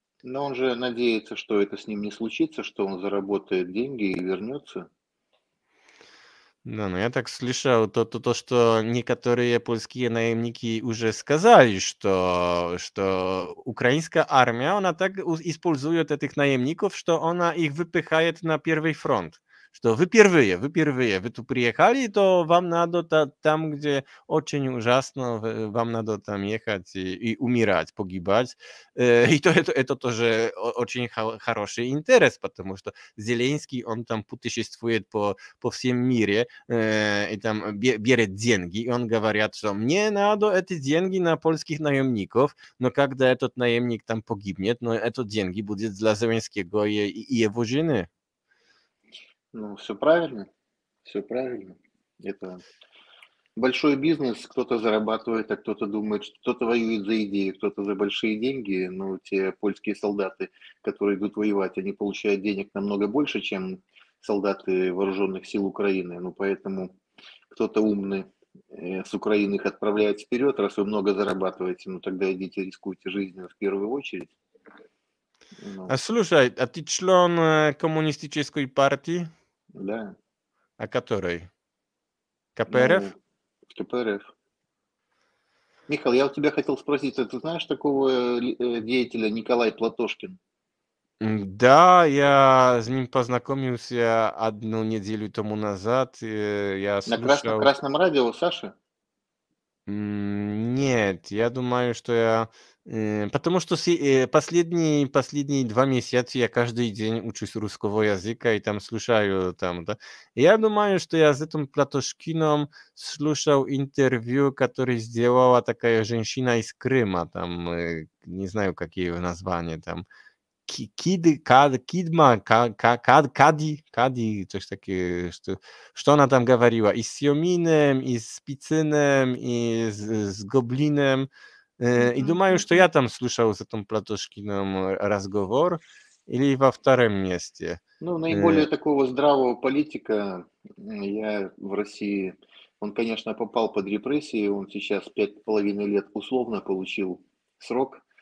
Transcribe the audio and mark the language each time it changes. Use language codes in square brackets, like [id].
[ru] Но он же надеется, что это с ним не случится, что он заработает деньги и вернется. [pl] No, no ja tak słyszał to, że niektóre polskie najemniki już [ru] сказали, [pl] że ukraińska armia ona tak используje tych najemników, że ona ich wypychaje na pierwszy front. [ru] Что вы тут приехали, то вам надо там, где очень ужасно, вам надо там ехать и умирать, погибать. И это тоже очень хороший интерес, потому что Зеленский, он там путешествует по всем мире и там берет деньги. И он говорит, что мне надо эти деньги на польских наемников, но когда этот наемник там погибнет, но это деньги будет для Зеленского и его жены. Ну, все правильно, все правильно. Это большой бизнес, кто-то зарабатывает, а кто-то думает, что кто-то воюет за идеи, кто-то за большие деньги. Но те польские солдаты, которые идут воевать, они получают денег намного больше, чем солдаты вооруженных сил Украины. Ну, поэтому кто-то умный с Украины их отправляет вперед, раз вы много зарабатываете, ну, тогда идите рискуйте жизнью в первую очередь. A Ну. [pl] słuchaj, a ty [ru] член [pl] komunistycznej partii? [ru] Да. [pl] A której? КПРФ? [ru] Ну, КПРФ. Михаил, я у тебя хотел спросить, а ты знаешь такого деятеля Николай Платошкин? Да, я с ним познакомился 1 неделю тому назад. Я На слушал. красном радио, Саша? Нет, я думаю, что я. Потому что последние 2 месяца я каждый день учусь русского языка и там слушаю там, да. Я думаю, что я с этим Платошкиным слушал интервью, которое сделала такая женщина из Крыма, там, не знаю, какие ее названия там. [pl] Кади, coś takiego, co ona tam [ru] говорила, [pl] i z Siominem, i z Picynem, i z Goblinem. [ru] I думаю, что я там слышал с этим Платошкиным разговор или во втором месте. Ну, наиболее такого здравого политика я в России. Он, конечно, попал под репрессии. Он сейчас 5,5 лет условно получил срок.